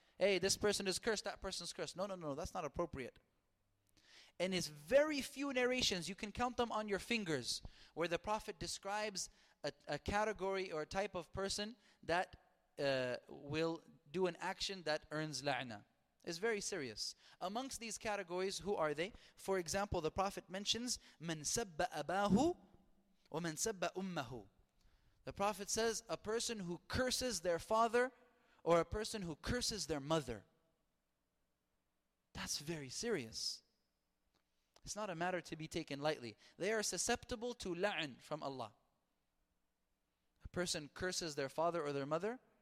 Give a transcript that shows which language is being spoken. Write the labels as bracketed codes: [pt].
[en] Hey, this person is cursed, that person's cursed. No, no, no, that's not appropriate. And it's very few narrations, you can count them on your fingers, where the Prophet describes a category or a type of person that will do an action that earns la'na. It's very serious. Amongst these categories, who are they? For example, the Prophet mentions, [ar] مَنْ سَبَّ أَبَاهُ وَمَنْ سَبَّ أُمَّهُ. [en] The Prophet says, a person who curses their father or a person who curses their mother. That's very serious. It's not a matter to be taken lightly. They are susceptible to la'n from Allah. A person curses their father or their mother.